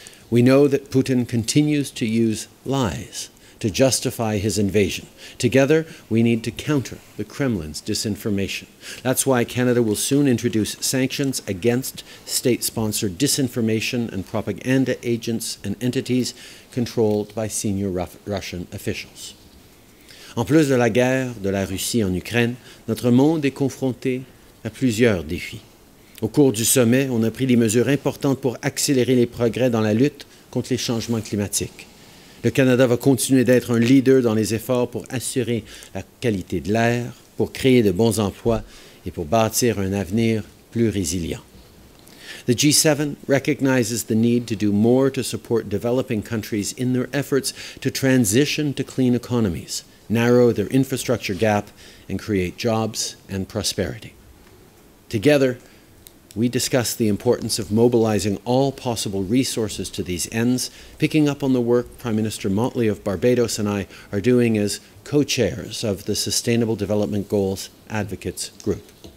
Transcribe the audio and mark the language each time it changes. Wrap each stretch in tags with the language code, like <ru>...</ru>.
<en>We know that Putin continues to use lies to justify his invasion. Together, we need to counter the Kremlin's disinformation. That's why Canada will soon introduce sanctions against state-sponsored disinformation and propaganda agents and entities controlled by senior Russian officials.</en> <fr>En plus de la guerre de la Russie en Ukraine, notre monde est confronté à plusieurs défis. Au cours du sommet, on a pris des mesures importantes pour accélérer les progrès dans la lutte contre les changements climatiques. Le Canada va continuer d'être un leader dans les efforts pour assurer la qualité de l'air, pour créer de bons emplois et pour bâtir un avenir plus résilient.</fr> <en>The G7 recognizes the need to do more to support developing countries in their efforts to transition to clean economies, narrow their infrastructure gap, and create jobs and prosperity. Together, we discuss the importance of mobilizing all possible resources to these ends, picking up on the work Prime Minister Motley of Barbados and I are doing as co-chairs of the Sustainable Development Goals Advocates Group.</en>